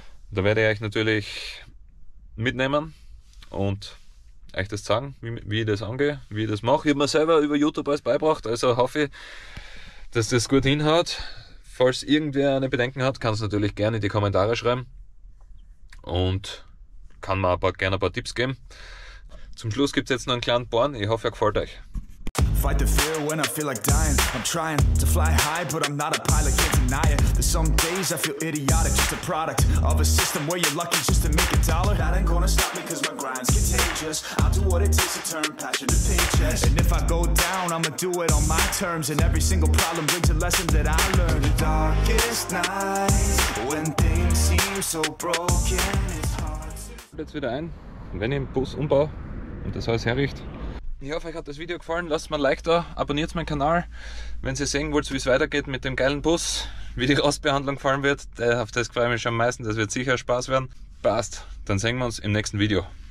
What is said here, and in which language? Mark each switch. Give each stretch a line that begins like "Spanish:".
German: Da werde ich euch natürlich mitnehmen und euch das zeigen, wie ich das angehe, wie ich das mache. Ich habe mir selber über YouTube alles beibracht, also hoffe ich, dass das gut hinhaut. Falls irgendwer eine Bedenken hat, kann es natürlich gerne in die Kommentare schreiben und kann mir gerne ein paar Tipps geben. Zum Schluss gibt es jetzt noch einen kleinen Born. Ich hoffe, er gefällt euch.
English: Fight the fear when I feel like dying. I'm trying to fly high, but I'm not a pilot, can't deny it. There's some days I feel idiotic, just a product of a system where you're lucky just to make a dollar. That ain't gonna stop me cause my grind's contagious. I'll do what it takes to turn passion to paychecks. And if I go down, I'ma do it on my terms. And every single problem brings a lesson that I learned. The darkest night, when things seem so broken, it's hard to...
German: Jetzt wieder ein, wenn ich den Bus umbaue und das alles herrichte. Ich hoffe, euch hat das Video gefallen. Lasst mir ein Like da, abonniert meinen Kanal. Wenn ihr sehen wollt, wie es weitergeht mit dem geilen Bus, wie die Rostbehandlung fallen wird, auf das freue ich mich schon am meisten. Das wird sicher Spaß werden. Passt, dann sehen wir uns im nächsten Video.